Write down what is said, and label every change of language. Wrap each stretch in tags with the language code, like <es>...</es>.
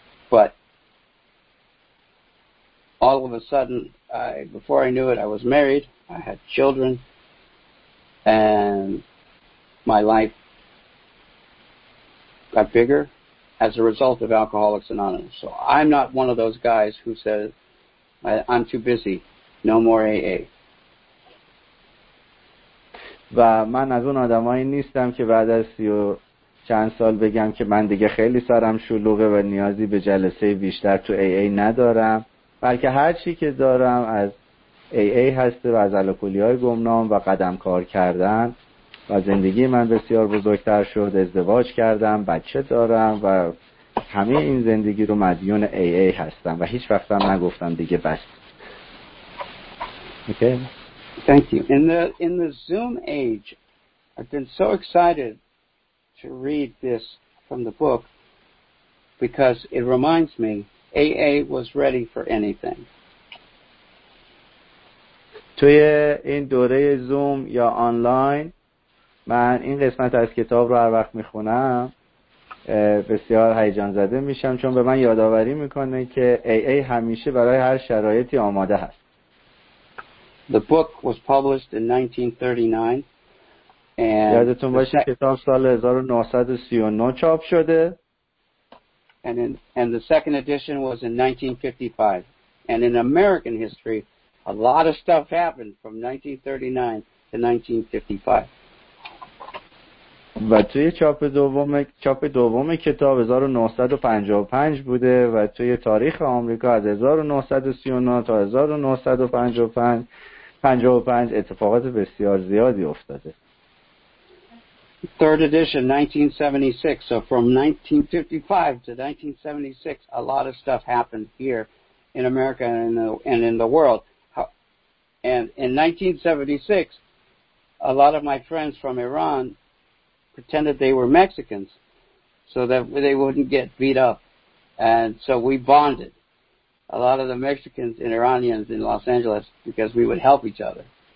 <en>But all of a sudden, before I knew it, I was married. I had children. And my life got bigger as a result of Alcoholics Anonymous. So I'm not one of those guys who says, I'm too busy, no more AA.</en> <fa>و من از اون آدمایی نیستم که بعد از 30 سال بگم که من دیگه خیلی سرم شلوغه و نیازی به جلسه بیشتر تو AA ندارم، بلکه هر چی که دارم از AA هست و از الکلی‌های گمنام و قدم کار کردن. و زندگی من بسیار بزرگتر شد، ازدواج کردم، بچه دارم و همه این زندگی رو مدیون AA هستم و هیچ وقت هم نگفتم دیگه بس.</fa> <en>Okay. Thank you. In the Zoom age, I've been so excited to read this from the book because it reminds me AA was ready for anything.</en> <fa>توی این دوره زوم یا آنلاین من این قسمت از کتاب رو هر وقت میخونم بسیار هیجان زده میشم، چون به من یادآوری میکنه که AA همیشه برای هر شرایطی آماده هست.</fa> <en>The book was published in 1939 and</en> <fa>یادتون باشه کتاب سال 1939 چاپ شده.</fa> <en>And the second edition was in 1955. And in American history, a lot of stuff happened from 1939 to 1955.</en> <fa>و توی چاپ دوم کتاب 1955 بوده و توی تاریخ آمریکا از 1939 تا 1955 55 اتفاقات بسیار زیادی افتاده.</fa> <en>Third edition 1976, so from 1955 to 1976 a lot of stuff happened here in America and in the world. And in 1976 a lot of my friends from Iran pretended they were Mexicans so that they wouldn't get beat up, and so we bonded, a lot of the Mexicans and Iranians in Los Angeles, because we would help each other.</en>